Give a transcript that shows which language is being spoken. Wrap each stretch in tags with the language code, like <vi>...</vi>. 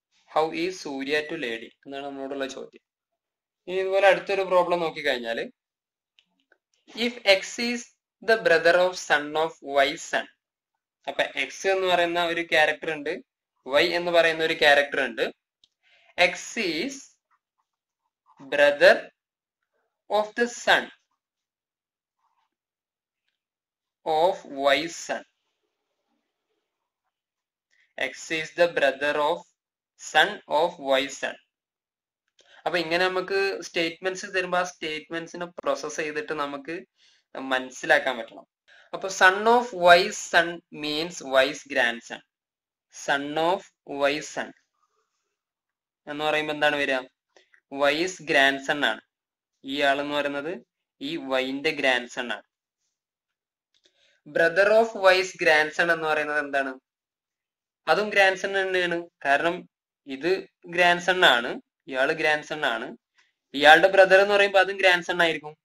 <en>how is Surya to lady</en> <ml>എന്നാണ് നമ്മളോടുള്ള ചോദ്യം. ഇനി ഇതുപോലെ അടുത്തൊരു problem നോക്കിക്കഴിഞ്ഞാല്,</ml> <en>If X is the brother of son of Y son.</en> <ml>അപ്പൊ എക്സ് എന്ന് പറയുന്ന ഒരു ക്യാരക്ടർ ഉണ്ട്, വൈ എന്ന് പറയുന്ന ഒരു ക്യാരക്ടർ ഉണ്ട്.</ml> <en>X is brother of the son of Y's son. X is the brother of son of Y's son.</en> <ml>അപ്പൊ ഇങ്ങനെ നമുക്ക് സ്റ്റേറ്റ്മെന്റ്സ് തരുമ്പോ ആ സ്റ്റേറ്റ്മെന്റ്സിനെ പ്രോസസ് ചെയ്തിട്ട് നമുക്ക് മനസ്സിലാക്കാൻ പറ്റണം. അപ്പൊ</ml> <en>Son of Y's son means Y's grandson. Son of Y's son</en> <ml>എന്ന് പറയുമ്പോ എന്താണ് വരിക? വൈസ് ഗ്രാൻഡ് സൺ ആണ്. ഈ ആൾ എന്ന് പറയുന്നത് ഈ വൈന്റെ ഗ്രാൻഡ് സൺ ആണ്. Brother of vice grand sun എന്ന് പറയുന്നത് എന്താണ്? അതും ഗ്രാൻഡ് സൺ തന്നെയാണ്. കാരണം ഇത് ഗ്രാൻഡ് സൺ ആണ്, ഇയാള് ഗ്രാൻഡ് സൺ ആണ്, ഇയാളുടെ ബ്രദർ എന്ന് പറയുമ്പോ അതും ഗ്രാൻഡ് സൺ ആയിരിക്കും.</ml>